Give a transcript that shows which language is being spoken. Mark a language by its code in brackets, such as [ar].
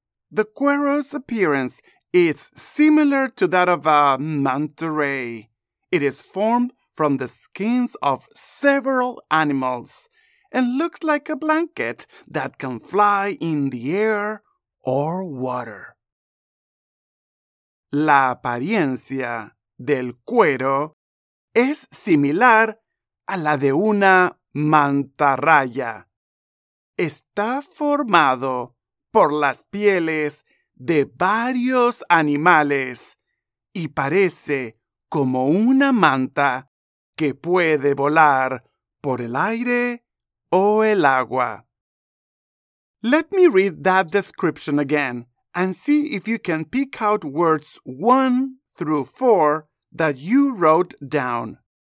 [en] The cuero's appearance is similar to that of a manta ray. It is formed from the skins of several animals and looks like a blanket that can fly in the air or water. [es] La apariencia del cuero es similar a la de una mantarraya. Está formado por las pieles de varios animales y parece como una manta que puede volar por el aire o el agua. [en] Let me read that description again and see if you can pick out words 1 through 4 that you wrote down.